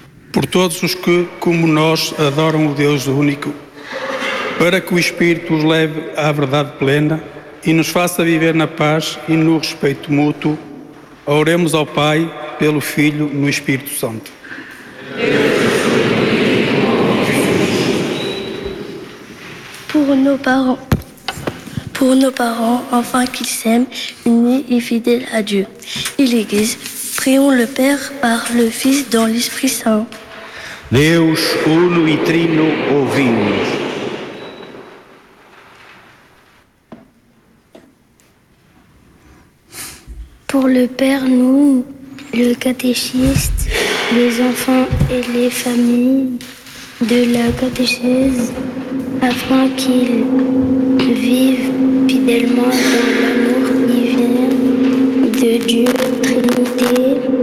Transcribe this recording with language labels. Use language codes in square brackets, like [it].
[pt] por todos os que, como nós, adoram o Deus único, para que o Espírito os leve à verdade plena e nos faça viver na paz e no respeito mútuo, oremos ao Pai, pelo Filho, no Espírito Santo. [fr] Pour nos parents, enfin qu'ils s'aiment, unis et fidèles à Dieu et l'Église, prions le Père par le Fils dans l'Esprit Saint. [pt] Deus uno e trino, ouvi-nos. [fr] Pour le Père, nous, le catéchiste, les enfants et les familles de la catéchèse, afin qu'ils vivent fidèlement dans l'amour divin de Dieu, Trinité.